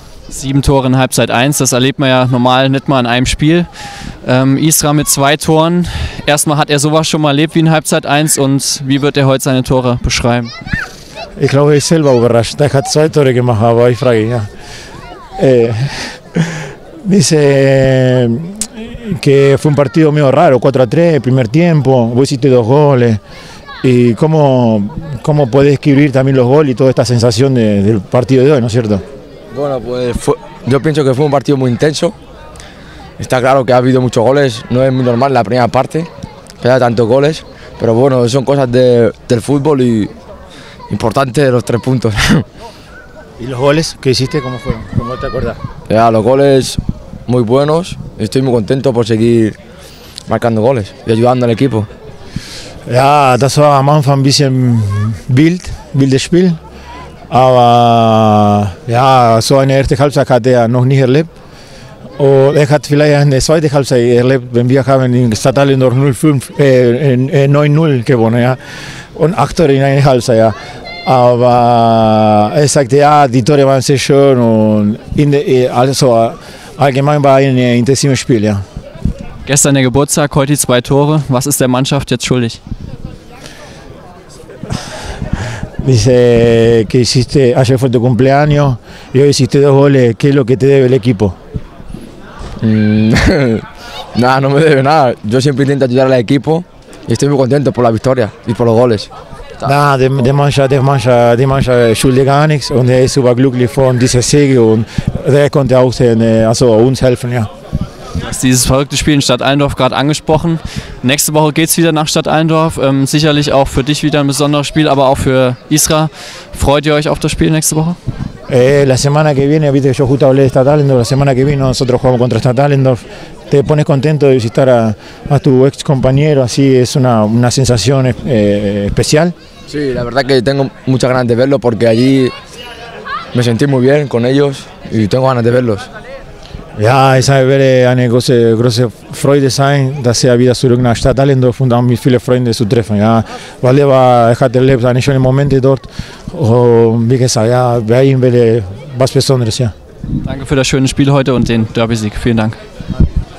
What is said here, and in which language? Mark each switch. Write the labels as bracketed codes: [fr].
[de] 7 Tore in Halbzeit 1, das erlebt man ja normal nicht mal in einem Spiel. Isra mit 2 Toren, erstmal hat er sowas schon mal erlebt wie in Halbzeit 1 und wie wird er heute seine Tore beschreiben? Ich glaube, ich selber überrascht, er hat 2 Tore gemacht, aber ich frage, ja. [es] Dice que fue un partido medio raro, 4-3, primer tiempo, vos hiciste 2 goles. ¿Y cómo puedes escribir también los goles y toda esta sensación del partido de hoy, no es cierto? Bueno, pues yo pienso que fue un partido muy intenso. Está claro que ha habido muchos goles, no es muy normal la primera parte, que haya tantos goles. Pero bueno, son cosas del fútbol y importante los 3 puntos. ¿Y los goles que hiciste, cómo fueron? ¿Cómo te acuerdas? Ya, los goles muy buenos, estoy muy contento por seguir marcando goles y ayudando al equipo. [de] Ja, das war am Anfang ein bisschen wildes Spiel, aber ja, so eine erste Halbzeit hat er noch nie erlebt. Und er hat vielleicht eine zweite Halbzeit erlebt, wenn wir haben in Stadthalle noch 9-0 gewonnen, ja. Und 8 Tore in einer Halbzeit, ja. Aber er sagte, ja, die Tore waren sehr schön und also allgemein war ein intensives Spiel, ja. Gestern der Geburtstag, heute 2 Tore. Was ist der Mannschaft jetzt schuldig? [es] Dice que hiciste, ayer fue tu cumpleaños y hoy hiciste 2 goles. ¿Qué es lo que te debe el equipo? Nada, no me debe nada. Yo siempre intento ayudar al equipo y estoy muy contento por la victoria y por los goles. Nada, de mancha, [de] schuldig gar nichts und er ist super glücklich von dieser Sieg und er konnte auch sehen, also uns helfen, ja. Du hast dieses verrückte Spiel in Stadtallendorf gerade angesprochen. Nächste Woche geht es wieder nach Stadtallendorf. Sicherlich auch für dich wieder ein besonderes Spiel, aber auch für Isra. Freut ihr euch auf das Spiel nächste Woche? [es] La semana que viene, viste que yo justo hablé de Stadtallendorf. La semana que viene nosotros jugamos contra Stadtallendorf. Te pones contento de visitar a tu ex compañero, así es una sensación especial. Sí, la verdad que tengo muchas ganas de verlo porque allí me sentí muy bien con ellos y tengo ganas de verlos. [de] Ja, es wird eine große Freude sein, dass er wieder zurück nach Stadtallendorf und auch mit vielen Freunden zu treffen. Ja, weil er hat erlebt einen schönen Moment dort. Und wie gesagt, ja, bei ihm wäre was Besonderes. Ja. Danke für das schöne Spiel heute und den Derby-Sieg. Vielen Dank. Danke.